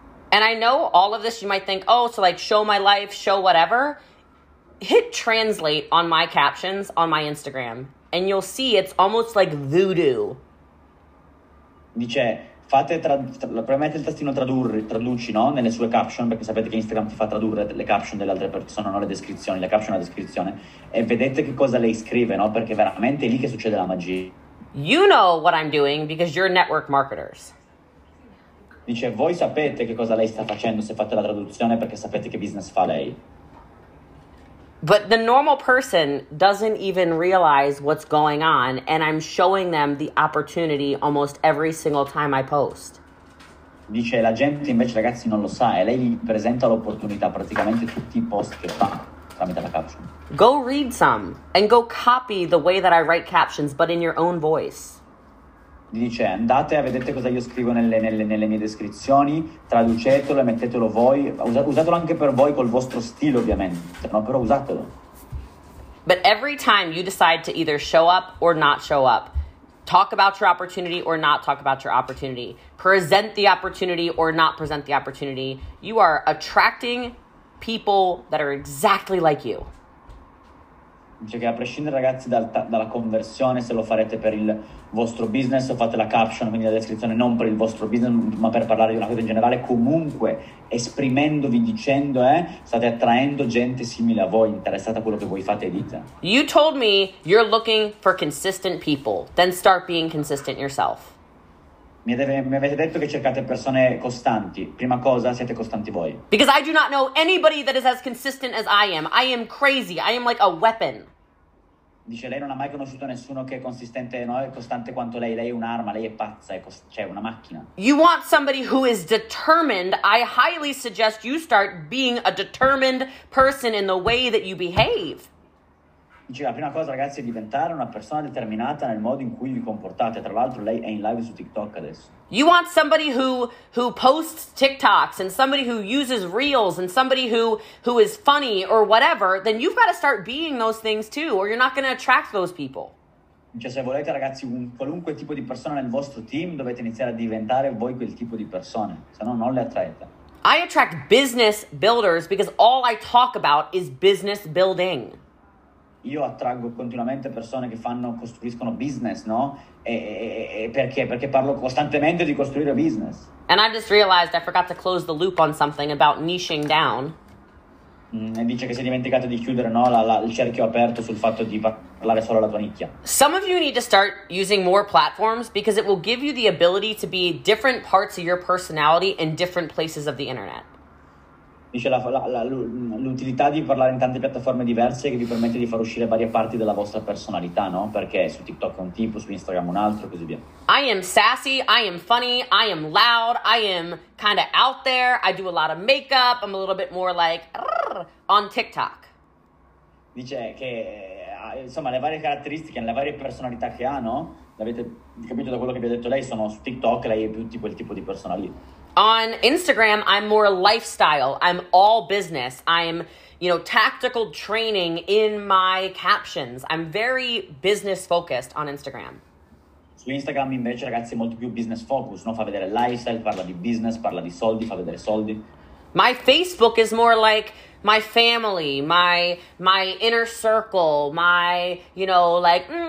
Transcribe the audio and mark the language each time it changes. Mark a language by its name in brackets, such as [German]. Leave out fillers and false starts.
[English] And I know all of this, you might think, oh, so like show my life, show whatever. Hit translate on my captions on my Instagram. And you'll see it's almost like voodoo. [Italian] Dice, fate premete il tastino traduci, no? Nelle sue caption, perché sapete che Instagram ti fa tradurre le caption delle altre persone, non le descrizioni, le caption la descrizione. E vedete che cosa lei scrive, no? Perché veramente è lì che succede la magia. [English] You know what I'm doing because you're network marketers. [Italian] Dice, voi sapete che cosa lei sta facendo se fate la traduzione perché sapete che business fa lei. [English] But the normal person doesn't even realize what's going on, and I'm showing them the opportunity almost every single time I post. [Italian] Dice, la gente invece, ragazzi, non lo sa, e lei gli presenta l'opportunità praticamente tutti i post che fa tramite la caption. [English] Go read some, and go copy the way that I write captions, but in your own voice. [Italian] dice: andate a vedete cosa io scrivo nelle mie descrizioni, traducetelo e mettetelo voi, usatelo anche per voi col vostro stile ovviamente, no? Però usatelo. [English] But every time you decide to either show up or not show up, talk about your opportunity or not talk about your opportunity, present the opportunity or not present the opportunity, you are attracting people that are exactly like you. [Italian] Cioè, che a prescindere, ragazzi, dalla conversione, se lo farete per il vostro business o fate la caption, quindi la descrizione, non per il vostro business, ma per parlare di una cosa in generale, comunque esprimendovi, dicendo, state attraendo gente simile a voi, interessata a quello che voi fate e dite. [English] You told me you're looking for consistent people, then start being consistent yourself. [Italian] Mi avete detto che cercate persone costanti. Prima cosa, siete costanti voi. [English] Because I do not know anybody that is as consistent as I am. I am crazy. I am like a weapon. [Italian] Dice, lei non ha mai conosciuto nessuno che è consistente, no, è costante quanto lei. Lei è un'arma, lei è pazza, cioè una macchina. [English] You want somebody who is determined. I highly suggest you start being a determined person in the way that you behave. [Italian] Dice, la prima cosa, ragazzi, è diventare una persona determinata nel modo in cui vi comportate. Tra l'altro, lei è in live su TikTok adesso. [English] You want somebody who posts TikToks and somebody who uses Reels and somebody who is funny or whatever, then you've got to start being those things too, or you're not going to attract those people. [Italian] Dice, se volete, ragazzi, un qualunque tipo di persona nel vostro team, dovete iniziare a diventare voi quel tipo di persone, se no non le attraete. [English] I attract business builders because all I talk about is business building. [Italian] Io attraggo continuamente persone che fanno, costruiscono business, no? E perché? Perché parlo costantemente di costruire business. [English] And I just realized I forgot to close the loop on something about niching down. [Italian] E dice che si è dimenticato di chiudere, no? Il cerchio aperto sul fatto di parlare solo alla tua nicchia. [English] Some of you need to start using more platforms because it will give you the ability to be different parts of your personality in different places of the internet. [Italian] Dice l'utilità di parlare in tante piattaforme diverse che vi permette di far uscire varie parti della vostra personalità, no? Perché su TikTok è un tipo, su Instagram un altro, così via. [English] I am sassy, I am funny, I am loud, I am kind of out there, I do a lot of makeup, I'm a little bit more like on TikTok. [Italian] Dice che, insomma, le varie caratteristiche, le varie personalità che ha, no? L'avete capito da quello che vi ha detto lei, sono su TikTok, lei è più tipo quel tipo di persona lì. [English] On Instagram, I'm more lifestyle. I'm all business. I'm, you know, tactical training in my captions. I'm very business focused on Instagram. [Italian] Su Instagram, invece, ragazzi, è molto più business focused, no? Fa vedere lifestyle, parla di business, parla di soldi, fa vedere soldi. [English] My Facebook is more like my family, my inner circle, my, you know, like,